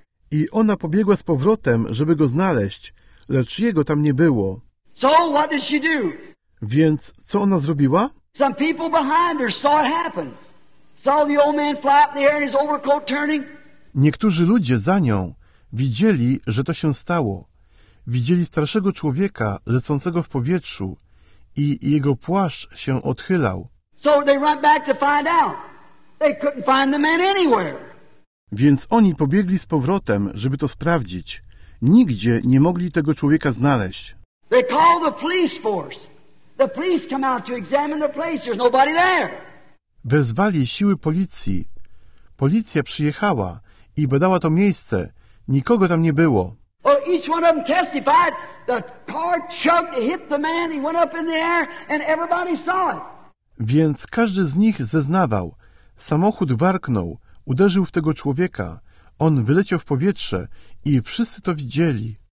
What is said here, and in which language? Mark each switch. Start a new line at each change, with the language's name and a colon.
Polish: I ona pobiegła z powrotem, żeby go znaleźć, lecz jego tam nie było.
English: So what did she do?
Polish: Więc co ona zrobiła?
English: Some people behind her saw it happen. Saw the old man fly up in the air and his overcoat turning.
Polish: Niektórzy ludzie za nią widzieli, że to się stało. Widzieli starszego człowieka lecącego w powietrzu i jego płaszcz się odchylał.
English: So they run back to find out. They couldn't find the man anywhere.
Polish: Więc oni pobiegli z powrotem, żeby to sprawdzić. Nigdzie nie mogli tego człowieka znaleźć.
English: They call the police force. The police come out to examine the place. There's nobody there.
Polish: Wezwali siły policji. Policja przyjechała i badała to miejsce. Nikogo tam nie było.
English: Well, each one of them testified. The car chugged, hit the man. He went up in the air and everybody saw it.
Polish: Więc każdy z nich zeznawał. Samochód warknął, uderzył w tego człowieka. On wyleciał w powietrze i wszyscy to widzieli.